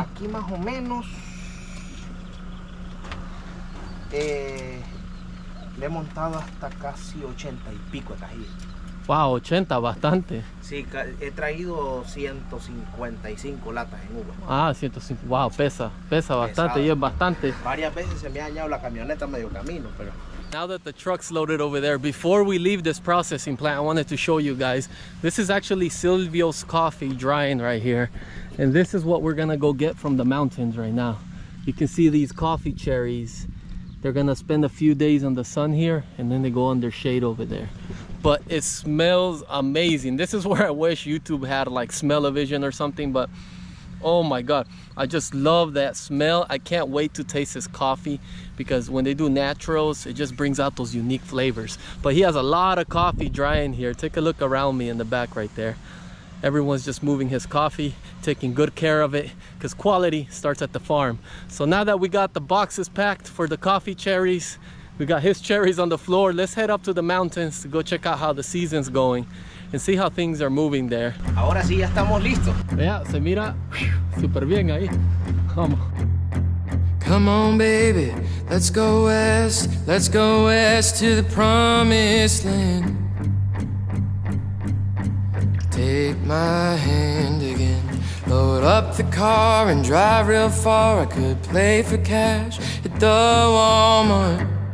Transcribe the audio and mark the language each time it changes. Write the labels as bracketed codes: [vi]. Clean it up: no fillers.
[es] Aquí más o menos le he montado hasta casi 80 y pico de cajillas. Wow, 80, bastante. Sí, he traído 155 latas en Uber. Ah, 155, wow, pesa bastante. Pesado. Y es bastante. Varias veces se me ha dañado la camioneta medio camino, pero... [en] Now that the truck's loaded over there, before we leave this processing plant, I wanted to show you guys. This is actually Silvio's coffee drying right here. And this is what we're gonna go get from the mountains right now. You can see these coffee cherries. They're gonna spend a few days in the sun here and then they go under shade over there. But it smells amazing. This is where I wish YouTube had like smell-o-vision or something, but oh my God, I just love that smell. I can't wait to taste this coffee, because when they do naturals, it just brings out those unique flavors. But he has a lot of coffee drying here. Take a look around me in the back right there. Everyone's just moving his coffee, taking good care of it, because quality starts at the farm. So now that we got the boxes packed for the coffee cherries, we got his cherries on the floor, let's head up to the mountains to go check out how the season's going and see how things are moving there. [es] Ahora sí, ya estamos listos. Vea, se mira super bien ahí. Vamos. [en] Come on, baby, let's go west. Let's go west to the promised land. Take my hand again. Load up the car and drive real far. I could play for cash at the Walmart.